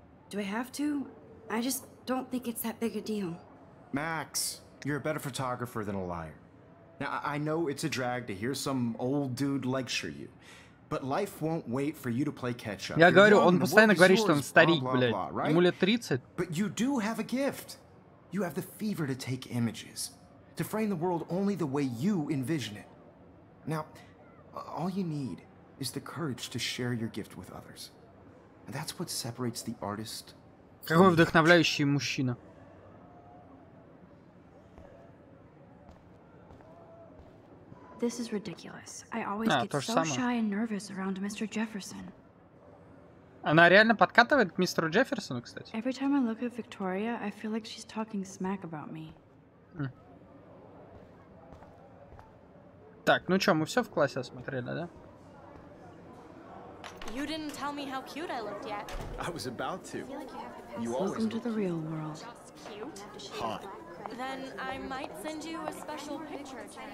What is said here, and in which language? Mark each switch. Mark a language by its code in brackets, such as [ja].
[en] Do I have to? I just don't think it's that big a deal. Max, you're a better photographer than a liar. Now, I know it's a drag to hear some old dude lecture you, but life won't wait for you to play catch-up. [ru] Я говорю, он постоянно говорит, что он старик, блядь. Ему лет 30. [en] But you do have a gift. You have the fever to take images, to frame the world only the way you envision it. Now, all you need is the courage to share your gift with others. And that's what separates the artist. [ru] Какой вдохновляющий мужчина. [en] This is ridiculous. I always get so shy and nervous around Mr. Jefferson. [ru] Она реально подкатывает к мистеру Джефферсону, кстати. [en] Every time I look at Victoria, I feel like she's talking smack about me. [ru] Так, ну что, мы все в классе осмотрели, да? [en] You didn't tell me how cute I looked yet. I was about to. Welcome to the real world. Hot. Then I might send you a special picture.